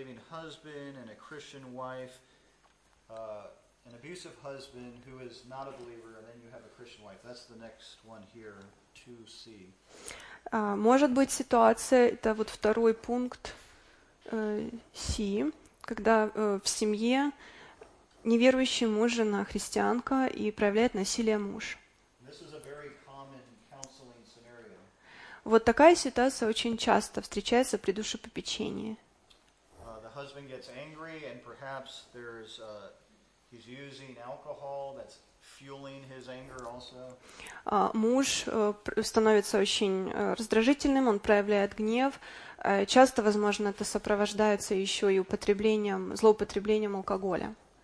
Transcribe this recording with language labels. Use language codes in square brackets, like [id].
[en] Husband and a Christian wife, an abusive husband who is not a believer, and then you have a Christian wife. That's the next one here, 2C. [ru] Может быть ситуация, это вот второй пункт C, когда в семье неверующий муж, жена, христианка и проявляет насилие муж. [en] This is a very common counseling scenario. [ru] Вот такая ситуация очень часто встречается при душепопечении. [en] Husband gets angry, and perhaps there's he's using alcohol that's fueling his anger also. [ru] Муж становится очень раздражительным, он проявляет гнев. Часто, возможно, это сопровождается еще и злоупотреблением алкоголя.